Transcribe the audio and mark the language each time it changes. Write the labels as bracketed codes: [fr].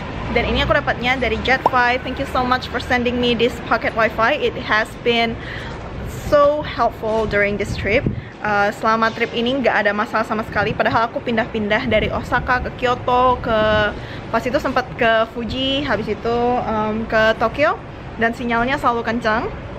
[id] Dan ini aku dapatnya dari Jetfi. [en] Thank you so much for sending me this pocket wifi. It has been so helpful during this trip. [id] Selama trip ini nggak ada masalah sama sekali, padahal aku pindah-pindah dari Osaka ke Kyoto, ke pas itu sempat ke Fuji, habis itu ke Tokyo, dan sinyalnya selalu kencang.